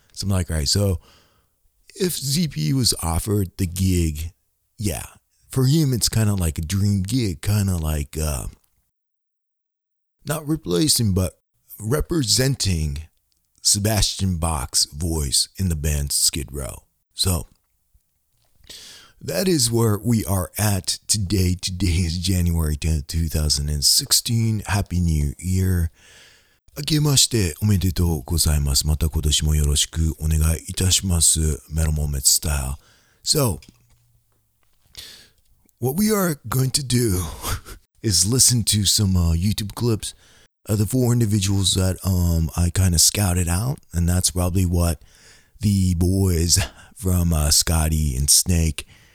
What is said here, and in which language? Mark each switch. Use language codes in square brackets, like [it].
[en] So I'm like, all right, so if ZP was offered the gig, yeah, for him, it's kind of like a dream gig, kind of like not replacing, but representing Sebastian Bach's voice in the band Skid Row. So that is where we are at today. Today is January 10th, 2016. Happy New Year. [ja] 明けましておめでとうございます。また今年もよろしくお願いいたします。メロモメッツスタイル。 [en] So, what we are going to do is listen to some YouTube clips of the four individuals that I kind of scouted out. And that's probably what the boys from Scotty and Snake